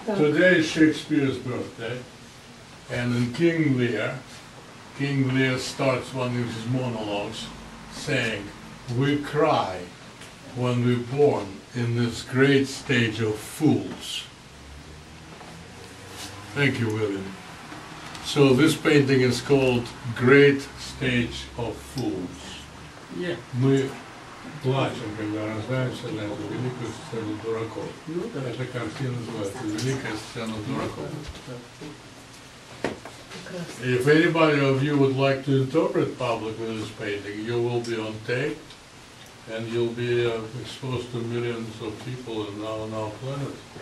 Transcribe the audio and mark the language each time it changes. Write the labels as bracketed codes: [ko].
[en] Today is Shakespeare's birthday, and in King Lear starts one of his monologues saying, "We cry when we're born in this great stage of fools." Thank you, William. So this painting is called Great Stage of Fools. Yeah. [ru] Плачем, когда рождаемся на эту великую сцену дураков. Эта картина называется «Великая сцена дураков». [en] If anybody of you would like to interpret publicly this painting, you will be on tape, and you'll be exposed to millions of people on our planet.